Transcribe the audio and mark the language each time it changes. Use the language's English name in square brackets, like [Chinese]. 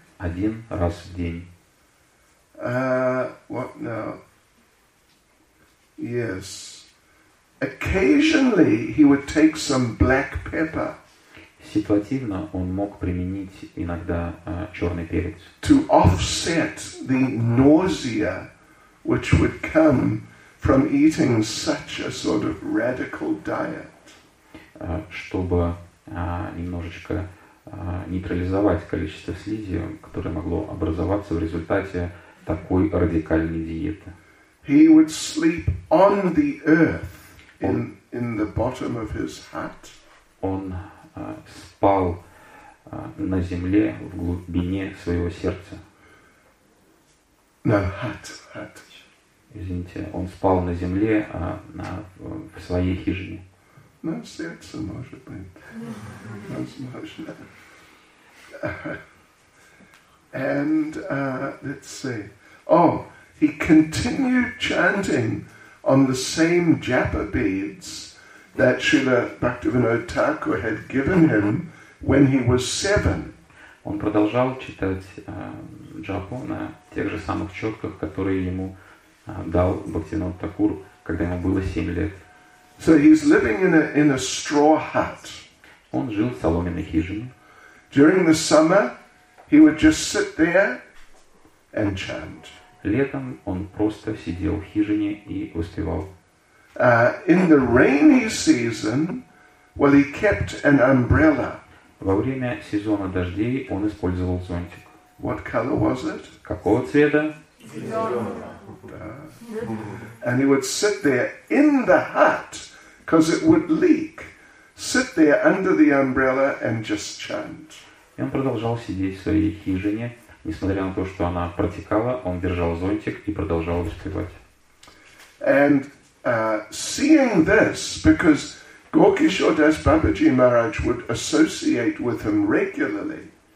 [Russian] Один раз в день. [English] What now? Yes. Occasionally he would take some black pepper. [Russian] Ситуативно он мог применить иногда черный перец. [English] To offset the nausea which would come from eating such a sort of radical diet. [Russian] Чтобы немножечко нейтрализовать количество слизи, которое могло образоваться в результате такой радикальной диеты. [English] He would sleep on the earth in the bottom of his hut. [Russian] Он спал на земле в глубине своего сердца. [English] No, hut. [Russian] Извините, он спал на земле, в своей хижине. На сердце, может быть. Возможно. [English] And let's see. Oh, he continued chanting on the same japa beads that Srila Bhaktivinoda Thakur had given him when he was 7. [Russian] Он продолжал читать джапу на тех же самых четках, которые ему дал Бхактивинода Такур, когда ему было 7 лет. [English] So he's living in a straw hut. [Russian] Он жил в соломенной хижине. [English] During the summer, he would just sit there and chant. [Russian] Летом он просто сидел в хижине и воспевал. [English] In the rainy season, well, he kept an umbrella. [Russian] Во время сезона дождей он использовал зонтик. [English] What color was it? [Russian] Какого цвета? [English] And he would sit there in the hut, because it would leak. Sit there under the umbrella and just chant. [Russian] И он продолжал сидеть в своей хижине, несмотря на то, что она протекала, он держал зонтик и продолжал воспевать. [English] And seeing this, because Gaukishor Das Babaji Maharaj would associate with him regularly.